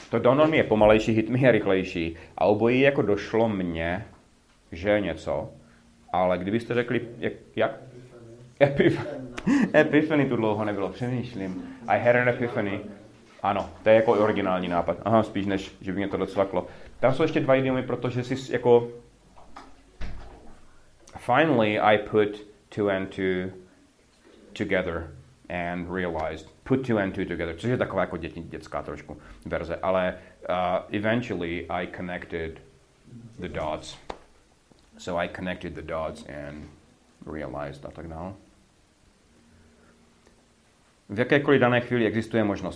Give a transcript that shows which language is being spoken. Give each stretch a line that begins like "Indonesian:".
Czech: To dawned on me je pomalejší, hit me je rychlejší. A obojí jako došlo mně, že něco. Ale kdybyste řekli, jak? Epiphany, tu dlouho nebylo, přemýšlím. I had an epiphany. Ano, to je jako originální nápad. Aha, spíš než, že by mě to docvaklo. Tam jsou ještě dva idiomy, protože jsi jako...
English: Finally I put two and two together and realized.
Czech: Put two and two together, což je taková jako dětská trošku verze.
English: Ale eventually I connected the dots. So I connected the dots and realized a tak dále.
Czech: V jakékoliv dané chvíli existuje možnost.